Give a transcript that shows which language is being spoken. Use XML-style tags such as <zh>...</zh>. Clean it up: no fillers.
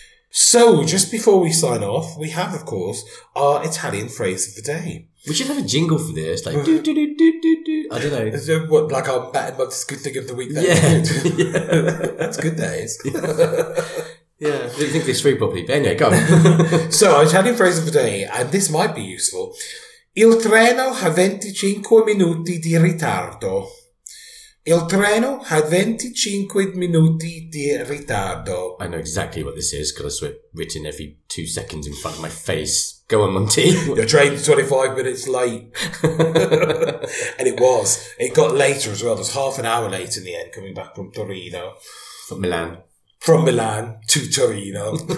<en>So, just before we sign off, we have, of course, our Italian phrase of the day. We should have a jingle for this, like do do do do do do. I don't know. Is there, what, like our bad month's good thing of the week? Yeah. That's good days. Yeah, I didn't think this through properly, but anyway, go on. So, our Italian phrase of the day, and this might be useful.</en> <it>Il treno ha 25 minuti di ritardo. Il treno ha 25 minuti di ritardo.</it> <en>I know exactly what this is because I saw it written every 2 seconds in front of my face. Go on, Monty. Your train's 25 minutes late. And it was. It got later as well. It was half an hour late in the end coming back from Torino. From Milan. From Milan to Torino.</en>